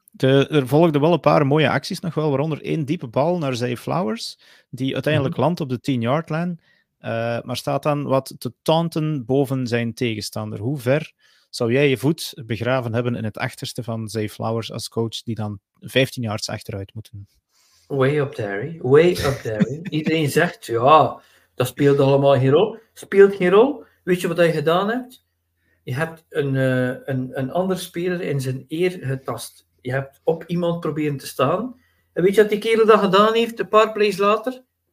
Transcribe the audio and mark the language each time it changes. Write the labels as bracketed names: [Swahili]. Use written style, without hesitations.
[Dutch] Er volgden wel een paar mooie acties nog wel, waaronder één diepe bal naar Zay Flowers, die uiteindelijk landt op de 10-yard-line, maar staat dan wat te taunten boven zijn tegenstander. Hoe ver zou jij je voet begraven hebben in het achterste van Zay Flowers als coach, die dan 15 yards achteruit moeten? [English] Way up there, way up there. [Dutch] Iedereen zegt, ja, dat speelt allemaal geen rol. Speelt geen rol. Weet je wat je gedaan hebt? Je hebt een ander speler in zijn eer getast. Je hebt op iemand proberen te staan. En weet je wat die kerel dat gedaan heeft, een paar plays later?